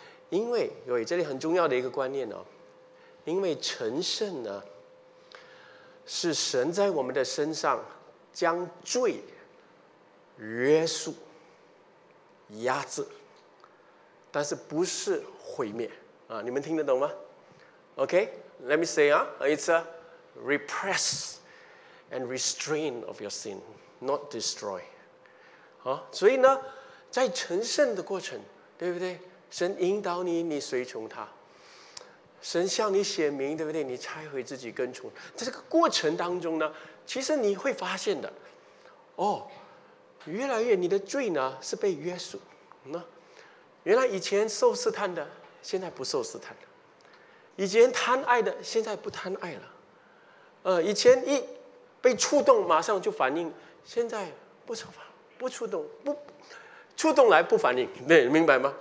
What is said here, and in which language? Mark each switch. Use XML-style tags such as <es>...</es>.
<zh>因为有这里很重要的一个观念，因为成圣呢，是神在我们的身上将罪约束压制，但是不是毁灭啊？你们听得懂吗？</zh> <en>OK， let me say it's a repress and restrain of your sin, not destroy。</en> <zh>所以呢，在成圣的过程，对不对？神引导你，你随从他，神向你显明，对不对？你拆毁自己跟从，在这个过程当中呢，其实你会发现的，哦，越来越你的罪呢是被约束，原来以前受试探的现在不受试探了，以前贪爱的现在不贪爱了，以前一被触动马上就反应，现在不触发，不触动，不触动来不反应，对，明白吗？</zh>